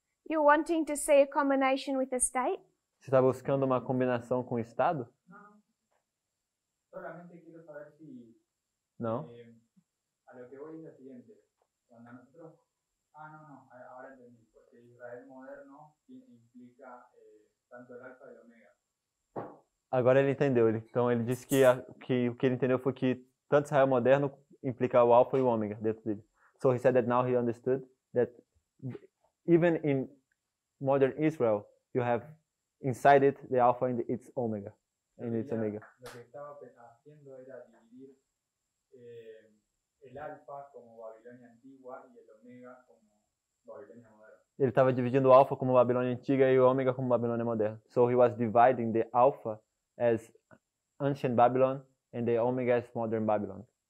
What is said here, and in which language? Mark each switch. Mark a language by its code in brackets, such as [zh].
[en] You're wanting to see a combination with the state? [pt] Você está buscando uma combinação com o Estado? Não. Realmente quero saber se... Não? [es] A lo que voy es el siguiente. Cuando nosotros... Ah, no. Ahora entendí. Porque Israel moderno implica tanto el alfa y el omega. [pt] Agora ele entendeu. Então ele disse que o que ele entendeu foi que tanto Israel moderno implica o alfa e o ômega dentro dele. [en] So he said that now he understood that even in modern Israel, you have inside it the alpha and its omega, and its omega. [es] El alfa como Babilonia antigua y el omega como Babilonia moderna. [pt] Ele estava dividindo o Alfa como Babilônia Antiga e o Ômega como Babilônia Moderna. [en] So he was dividing the Alpha as Ancient Babylon and the Omega as Modern Babylon.